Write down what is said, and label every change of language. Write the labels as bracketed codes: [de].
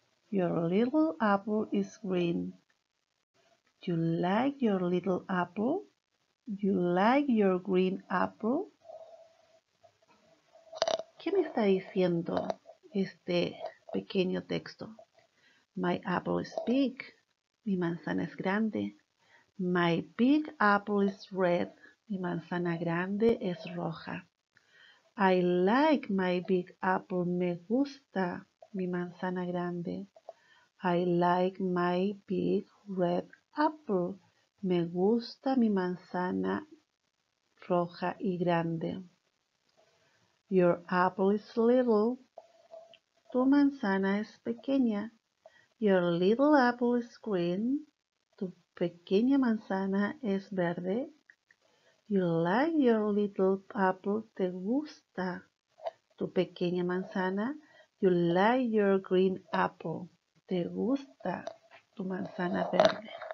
[en] Your little apple is green. You like your little apple? You like your green apple? [es] ¿Qué me está diciendo este pequeño texto? [en] My apple is big. [es] Mi manzana es grande. [en] My big apple is red. [es] Mi manzana grande es roja. [en] I like my big apple. [es] Me gusta mi manzana grande. [en] I like my big red apple. Apple. [es] Me gusta mi manzana roja y grande. [en] Your apple is little. [es] Tu manzana es pequeña. [en] Your little apple is green. [es] Tu pequeña manzana es verde. [en] You like your little apple. [es] Te gusta tu pequeña manzana. [en] You like your green apple. [es] Te gusta tu manzana verde.